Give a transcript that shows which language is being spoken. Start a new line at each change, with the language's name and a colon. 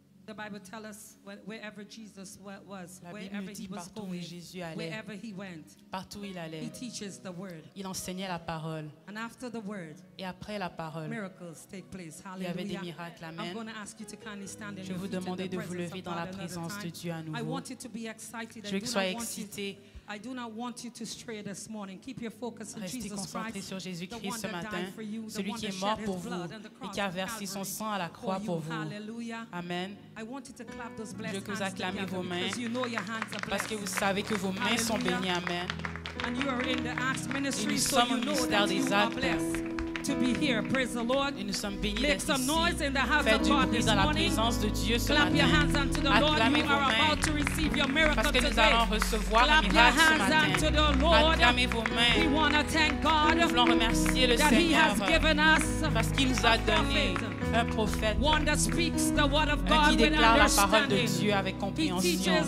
English: The Bible tells us wherever Jesus was, wherever he went,
French: partout il allait,
English: he teaches the word.
French: Il enseignait la parole.
English: And after the word,
French: et après la parole,
English: miracles take place.
French: Il y avait des miracles. Amen.
English: I'm going to ask you to kindly stand in
French: Je vous demander de vous lever dans la présence de Dieu à nouveau.
English: I want you to be excited.
French: Je veux que soyez excités.
English: I do not want you to stray this morning. Keep your focus on
French: Restez
English: Jesus Christ,
French: sur Jésus-Christ ce matin, you, celui qui est mort pour vous et qui a versé son sang à la croix pour vous.
English: Hallelujah. Amen. I want you to clap those blessed
French: Je veux que vous acclamez vos mains
English: you know your hands are
French: parce que vous savez que vos mains sont bénies.
English: Amen. And you are in the Acts ministry,
French: et nous sommes au ministère des Actes.
English: To be here, praise the Lord. Make some noise in the house of God this morning. Clap your hands unto the Lord. You are about to receive your miracle today. Clap your hands unto the Lord. We want to thank God that He has given us a prophet.
French: Un prophète,
English: one that speaks the word of God
French: qui déclare la parole de Dieu avec compréhension.